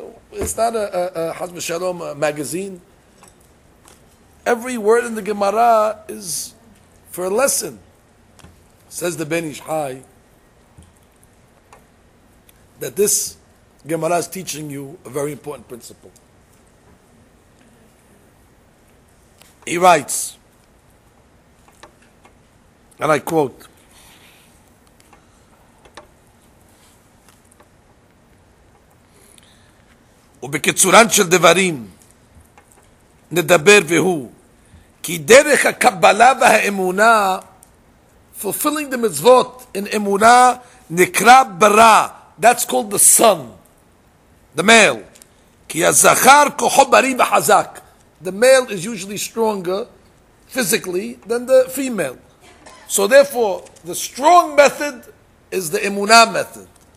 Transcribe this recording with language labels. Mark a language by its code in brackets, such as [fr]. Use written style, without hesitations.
[en] It's not a Chas V'Shalom magazine. Every word in the Gemara is for a lesson. Says the Ben Ish-Hai, that this Gemara is teaching you a very important principle. He writes, and I quote, [he] ובקיצורן של דברים נדבר והוא כי דרך הקבלה והאמונה, [en] fulfilling the mitzvot in [he] אמונה, נקרא ברא. [en] That's called the son, the male. [he] כי הזכר כוחו בריא וחזק. [en] The male is usually stronger physically than the female. So therefore, the strong method is the emunah method.